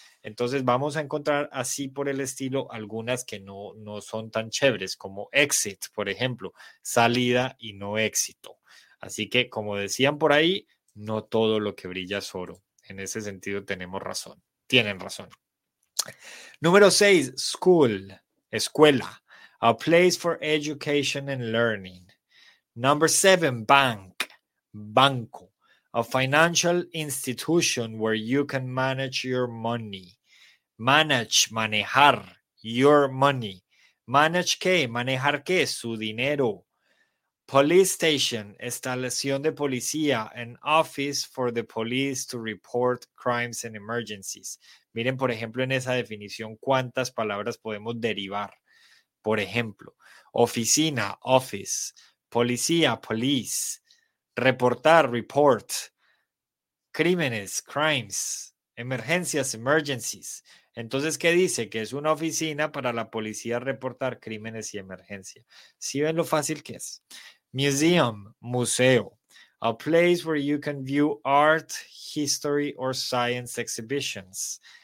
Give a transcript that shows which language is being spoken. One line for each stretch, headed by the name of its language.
Spanish: Entonces vamos a encontrar así por el estilo algunas que no son tan chéveres, como exit, por ejemplo, salida y no éxito. Así que, como decían por ahí, no todo lo que brilla es oro. En ese sentido tenemos razón. Tienen razón. Número 6,
English: school, escuela, a place for education and learning. Number 7, bank, banco, a financial institution where you can manage your money. Manage, manejar, your money.
Spanish: Manage qué, manejar qué, su dinero.
English: Police station, estación de policía, an office for the police to report crimes and emergencies.
Spanish: Miren, por ejemplo, en esa definición, cuántas palabras podemos derivar. Por ejemplo, oficina, office, policía, police, reportar, report, crímenes, crimes, emergencias, emergencies. Entonces, ¿qué dice? Que es una oficina para la policía reportar crímenes y emergencia. ¿Sí ven lo fácil que es?
English: Museum, museo, a place where you can view art, history or science exhibitions.